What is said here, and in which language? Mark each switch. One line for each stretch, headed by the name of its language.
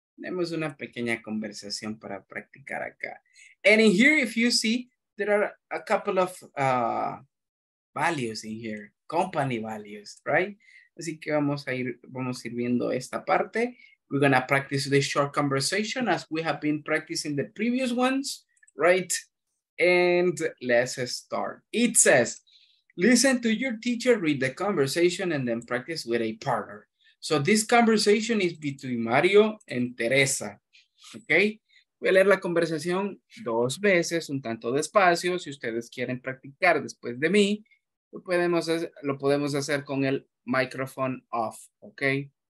Spanish: Tenemos una pequeña conversación para practicar acá.
English: And in here, if you see, there are a couple of values in here, company values, right?
Spanish: Así que vamos a ir viendo esta parte.
English: We're gonna practice this short conversation as we have been practicing the previous ones, right? And let's start. It says, listen to your teacher, read the conversation, and then practice with a partner. So this conversation is between Mario and Teresa, okay?
Spanish: Voy a leer la conversación dos veces, un tanto despacio. Si ustedes quieren practicar después de mí, lo podemos hacer con el
English: microphone off,
Spanish: okay?